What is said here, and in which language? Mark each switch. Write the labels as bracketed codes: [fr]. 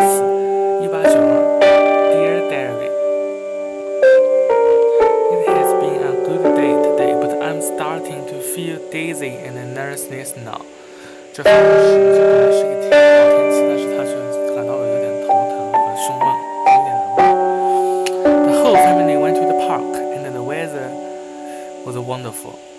[en] Dear Diary, it has been a good day today, but I'm starting to feel dizzy and nervous now. [zh] 这番话是本来是一天好天气，但是他却感到有点头疼和胸闷，有点难过。 [en] The whole family went to the park, and the weather was wonderful.